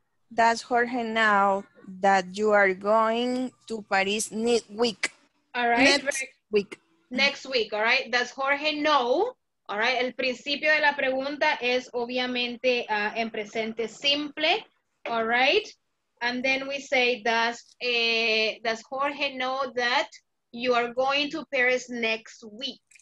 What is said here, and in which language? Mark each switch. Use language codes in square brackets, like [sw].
[en] That's Jorge now that you are going to Paris next week. All right. Next week. Next week, all right. Does Jorge know? All right. [es] El principio de la pregunta es obviamente en presente simple. [en] All right. And then we say, does Jorge know that you are going to Paris next week?